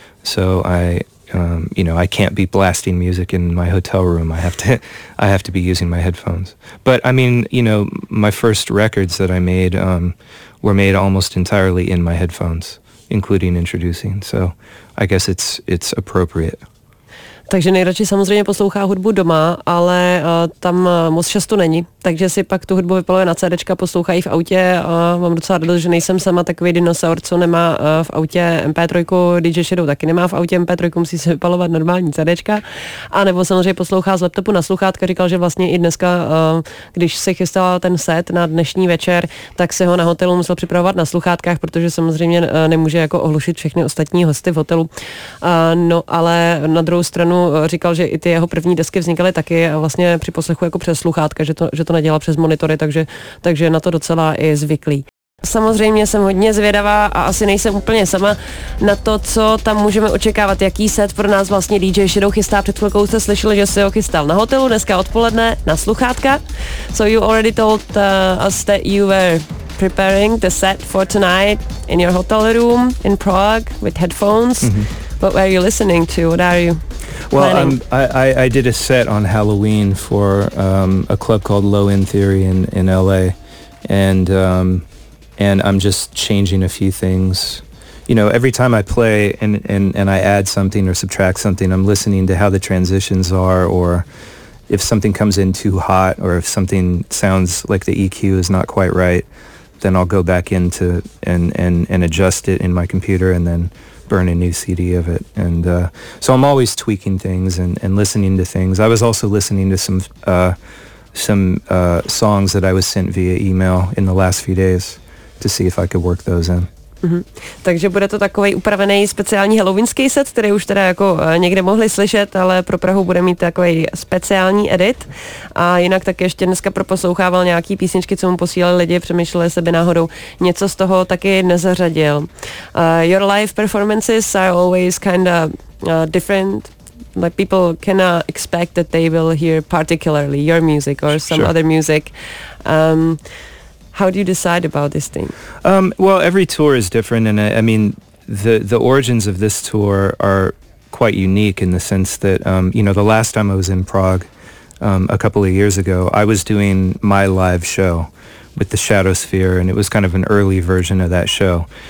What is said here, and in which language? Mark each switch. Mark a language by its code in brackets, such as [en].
[en] So I can't be blasting music in my hotel room. I have to be using my headphones. But I mean, you know, my first records that I made were made almost entirely in my headphones, including introducing. So I guess it's appropriate. [cs] Takže nejradši samozřejmě poslouchá hudbu doma, ale tam moc často není, takže si pak tu hudbu vypaluje na CDčka, poslouchají v autě. Mám docela radost, že nejsem sama takový dinosaur, co nemá v autě MP3, DJ Shadow taky nemá v autě MP3, musí si vypalovat normální CDčka. A nebo samozřejmě poslouchá z laptopu na sluchátka, říkal, že vlastně i dneska, když se chystal ten set na dnešní večer, tak se ho na hotelu musel připravovat na sluchátkách, protože samozřejmě nemůže jako ohlušit všechny ostatní hosty v hotelu. Ale na druhou stranu říkal, že i ty jeho první desky vznikaly taky vlastně při poslechu jako přes sluchátka, že to nedělal přes monitory, takže na to docela i zvyklý. Samozřejmě jsem hodně zvědavá a asi nejsem úplně sama na to, co tam můžeme očekávat, jaký set pro nás vlastně DJ Shadow chystá. Před chvilkou jste slyšeli, že se ho chystal na hotelu dneska odpoledne na sluchátka. [en] So you already told us that you were preparing the set for tonight in your hotel room in Prague with headphones. Mm-hmm. What were you listening to? What are you? Well, I did a set on Halloween for a club called Low End Theory in LA, and I'm just changing a few things. You know, every time I play and I add something or subtract something, I'm listening to how the transitions are, or if something comes in too hot, or if something sounds like the EQ is not quite right, then I'll go back into and adjust it in my computer, and then burn a new CD of it. And so I'm always tweaking things and listening to things. I was also listening to some songs that I was sent via email in the last few days to see if I could work those in. Mm-hmm. [cs] Takže bude to takovej upravený speciální halloweenský set, který už teda jako někde mohli slyšet, ale pro Prahu bude mít takovej speciální edit. A jinak taky ještě dneska proposlouchával nějaký písničky, co mu posílali lidi, přemýšleli se by náhodou něco z toho taky nezařadil. [en] Your live performances are always kind of different. Like people cannot expect that they will hear particularly your music or some sure. other music. How do you decide about this thing? Well, every tour is different, and I mean, the origins of this tour are quite unique in the sense that, you know, the last time I was in Prague a couple of years ago, I was doing my live show with the Shadow Sphere, and it was kind of an early version of that show.